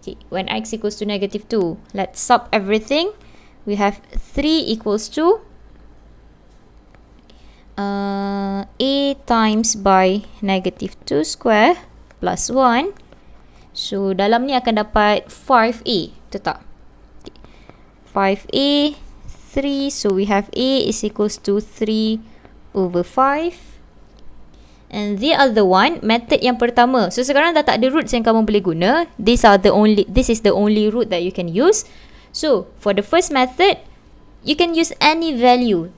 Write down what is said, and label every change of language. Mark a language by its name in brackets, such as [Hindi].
[English] When x equals to negative 2, let's sub everything. We have 3 equals to a times by negative 2 square plus 1. [Malay] So, dalam ni akan dapat 5a. Betul tak? 5a, 3. [English] So we have A is equals to 3 over 5. And the other one, [Malay] method yang pertama. So sekarang dah tak ada roots yang kamu boleh guna. [English] This is the only root that you can use. So for the first method, you can use any value.